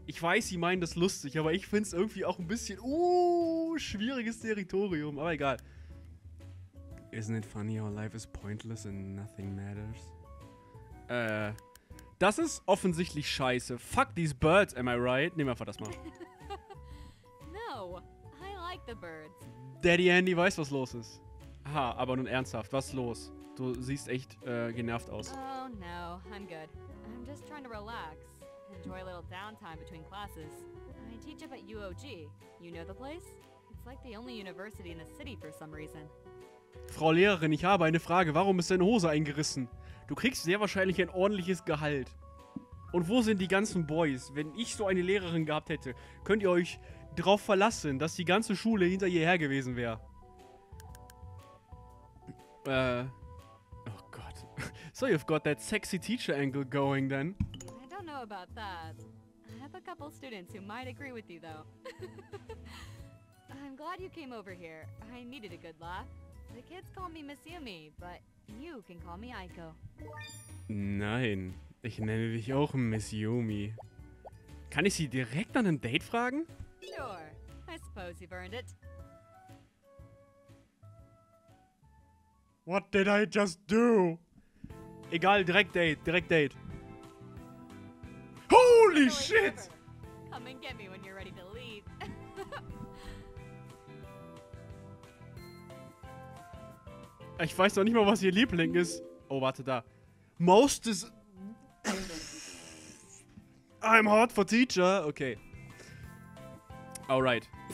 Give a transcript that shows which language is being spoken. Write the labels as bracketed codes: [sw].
[de] Ich weiß, sie meinen das lustig, aber ich find's irgendwie auch ein bisschen... schwieriges Territorium, aber egal. [en] Isn't it funny how life is pointless and nothing matters? [de] Das ist offensichtlich scheiße. [en] Fuck these birds, am I right? [de] Nehmen wir einfach das mal. [en] No, I like the birds. [de] Daddy Andy weiß, was los ist. Aha, aber nun ernsthaft, was ist los? Du siehst echt genervt aus. [en] Oh no, I'm good. I'm just trying to relax. Enjoy a little downtime between classes. I teach up at UOG. You know the place? It's like the only university in the city for some reason. [de] Frau Lehrerin, ich habe eine Frage. Warum ist deine Hose eingerissen? Du kriegst sehr wahrscheinlich ein ordentliches Gehalt. Und wo sind die ganzen Boys? Wenn ich so eine Lehrerin gehabt hätte, könnt ihr euch drauf verlassen, dass die ganze Schule hinter ihr her gewesen wäre? Oh Gott. [en] So you've got that sexy teacher angle going then. I don't know about that. I have a couple students who might agree with you though. I'm glad you came over here. I needed a good laugh. The kids call me Miss Yumi, but you can call me Aiko. [de] Nein, ich nenne dich auch Miss Yumi. Kann ich sie direkt an ein Date fragen? [en] Sure, I suppose you've earned it. What did I just do? [de] Egal, direkt Date. [en] Holy shit! Come and get me when you're ready to leave. [de] Ich weiß noch nicht mal, was ihr Liebling ist. Oh, warte, da. Most is... [en] I'm hot for teacher. Okay. Alright.